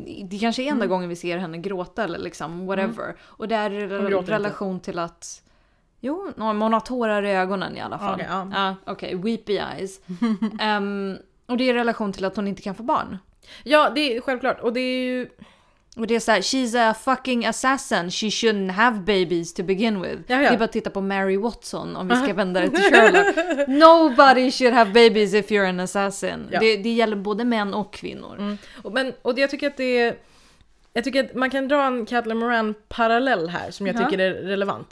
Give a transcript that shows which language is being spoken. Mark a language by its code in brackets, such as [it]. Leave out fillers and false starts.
[sv] Det kanske är enda gången vi ser henne gråta eller liksom whatever. Och det är relation inte till att, jo, hon har tårar i ögonen i alla fall. Okej, [en] okay, weepy eyes. [sv] Och det är i relation till att hon inte kan få barn. Ja, det är självklart. Och det är ju... Och det är såhär, [en] she's a fucking assassin. She shouldn't have babies to begin with. [sv] Ja, ja. Det är bara att titta på Mary Watson, om vi ska vända det till Sherlock. [en] Nobody should have babies if you're an assassin. [sv] Ja. Det gäller både män och kvinnor. Mm. Och jag tycker att det är... Jag tycker att man kan dra en Catelyn Moran-parallell här som jag tycker är relevant.